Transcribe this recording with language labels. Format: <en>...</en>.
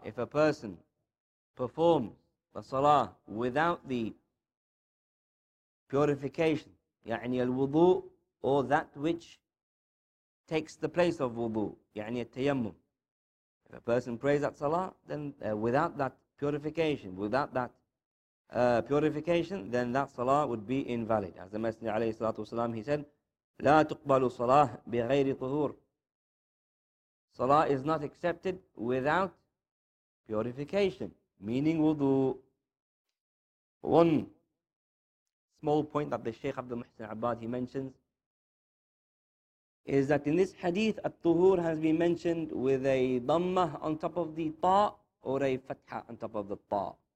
<en>If a person performs the Salah without the purification, يعني Al-Wudu, or that which takes the place of Wudu,</en> <ar>يعني التيمم.</ar> <en>If a person prays that Salah, then without that purification, without that purification, then that Salah would be invalid. As the Messenger عليه الصلاة والسلام, he said,</en> <ar>لا تقبل صلاة بغير طهور.</ar> <en>Salah is not accepted without purification, meaning wudu. One small point that the Shaykh Abdul Muhsin Abbad, he mentions, is that in this hadith, At-Tuhur has been mentioned with a dhammah on top of the ta, or a fatha on top of the ta.</en>